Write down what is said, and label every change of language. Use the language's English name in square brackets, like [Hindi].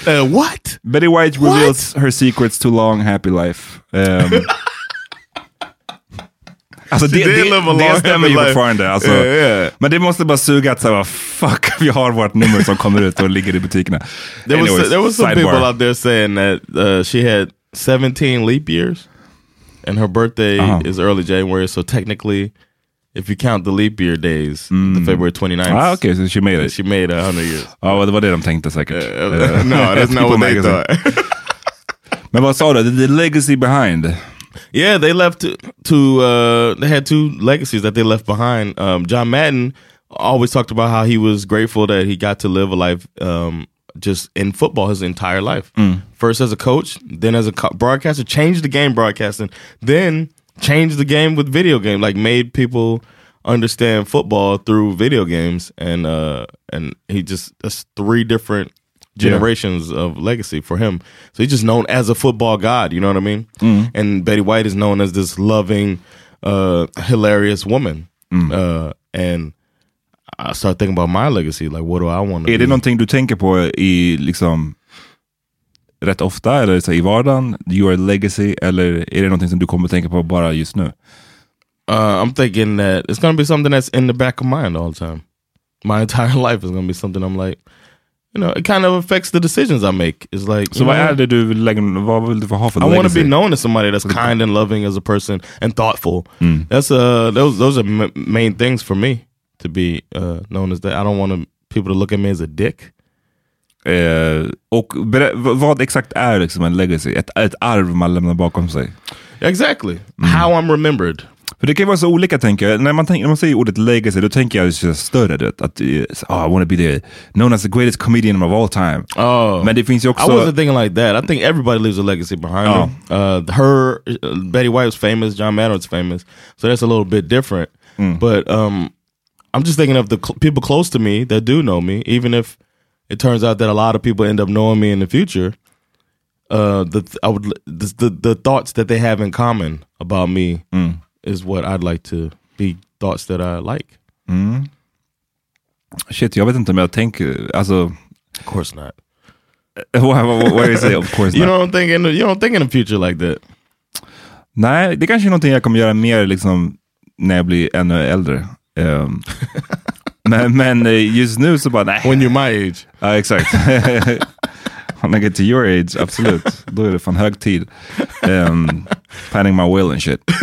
[English] What? Betty White reveals her secrets to long happy life. [Swedish] Alltså det stämmer ju fortfarande. Alltså. [English] Yeah, yeah. [Swedish] Men det måste bara suga att såhär, fuck, vi har vårt nummer som kommer ut och ligger i butikerna. [English] There was some sidebar. People out there saying that she had 17 leap years and her birthday is early January, so technically if you count the leap year days, the February 29th. Ah, okay, so she made it. She made 100 years. Oh, well, what did I think the second? No, that's not what they thought. [Swedish] Men vad sa du? [English] The legacy behind... Yeah, they left they had two legacies that they left behind. John Madden always talked about how he was grateful that he got to live a life just in football his entire life. Mm. First as a coach, then as a broadcaster, changed the game broadcasting, then changed the game with video game, like made people understand football through video games. And he just, that's three different generations of legacy for him. So he's just known as a football god, you know what I mean? Mm. And Betty White is known as this loving, hilarious woman. Mm. And I start thinking about my legacy, like what do I want to be? [Swedish] Är det någonting du tänker på i liksom rätt ofta eller så i vardagen, your legacy, eller är det någonting som du kommer tänka på bara just nu? [English] I'm thinking that it's going to be something that's in the back of mind all the time. My entire life is going to be something I'm like, you know, it kind of affects the decisions I make. It's like, so why are you like, what will you have for the I want to be known as somebody that's kind and loving as a person and thoughtful. Mm. That's those are main things for me to be known as that. I don't want people to look at me as a dick. [Swedish] Och vad exakt är liksom en legacy? Ett arv man lämnar bakom sig. [English] Exactly. Mm. How I'm remembered. [Swedish] För det kan vara så olika, tänker jag. När man säger ordet legacy, då tänker jag just större, du, att [English] oh, I want to be the known as the greatest comedian of all time. Oh. [Swedish] Men det finns ju också... [English] I wasn't thinking like that. I think everybody leaves a legacy behind them. Betty White was famous, John Madden was famous, so that's a little bit different. Mm. But I'm just thinking of the people close to me that do know me, even if it turns out that a lot of people end up knowing me in the future. The thoughts that they have in common about me is what I'd like to be, thoughts that I like. Mm. [Swedish] Shit, jag vet inte om jag tänker, alltså... [English] Of course not. what do you say, of course not? You don't think in the future like that. [Swedish] Nej, det kanske är någonting jag kommer göra mer liksom när jag blir ännu äldre. men just nu så bara, nej. [English] When you're my age. [Swedish] Ja, exakt. [English] When I get to your age, absolut. [Swedish] Då är det fan hög tid. [English] Panning my will and shit.